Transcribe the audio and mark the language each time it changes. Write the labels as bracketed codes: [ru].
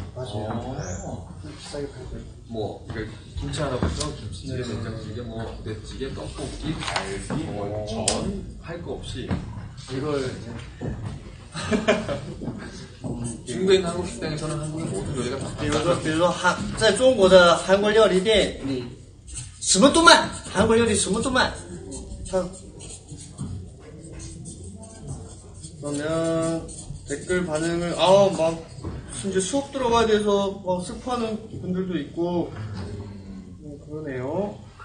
[ko] 맞아요. 네. 비싸게 팔고 뭐 그러니까 김치 하나부터 김치찌개, 된장찌개, 뭐 부대찌개, 떡볶이, 갈비, 뭐 전 할 거 없이 이걸 이제 중국에 있는 한국 식당에 저는 한국의 모든 요리가 다 팔아요. [zh] 比如说，在中国的韩国料理店，你什么都卖，韩国料理什么都卖，他。 [ko] 그러면 댓글 반응을 아 막 심지어 수업 들어가야 돼서 막 슬퍼하는 분들도 있고 그러네요.